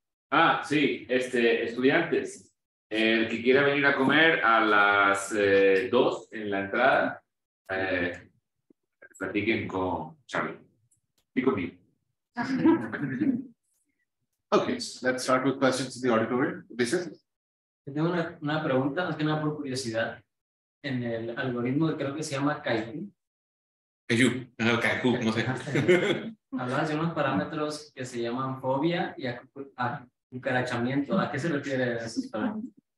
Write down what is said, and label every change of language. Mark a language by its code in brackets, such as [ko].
[es] Ah, sí, estudiantes, el que quiera venir a comer a las 2 en la entrada, platiquen con Charlie. Y conmigo. [en] Okay, so let's start with questions in the auditorium. Business. [es] Tengo una pregunta, más que nada por curiosidad. En el algoritmo que creo que se llama Kaiju, no sé. Hablabas de unos parámetros que se llaman fobia y acucarachamiento. ¿A qué se refiere a esos parámetros?